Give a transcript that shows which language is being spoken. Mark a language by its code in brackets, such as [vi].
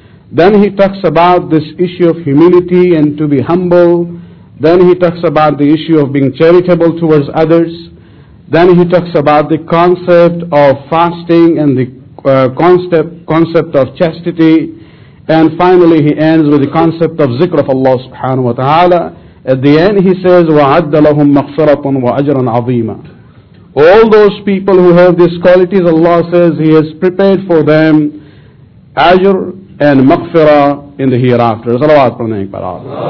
[en] Then he talks about this issue of humility and to be humble. Then he talks about the issue of being charitable towards others. Then he talks about the concept of fasting and the concept of chastity. And finally he ends with the concept of zikr of Allah subhanahu wa ta'ala. At the end he says, [ar] وَعَدَّ لَهُمْ مَغْفِرَةً وَأَجْرًا عَظِيمًا. [en] All those people who have these qualities, Allah says, he has prepared for them ajr and maghfira in the hereafter. Salawat pranayin parah.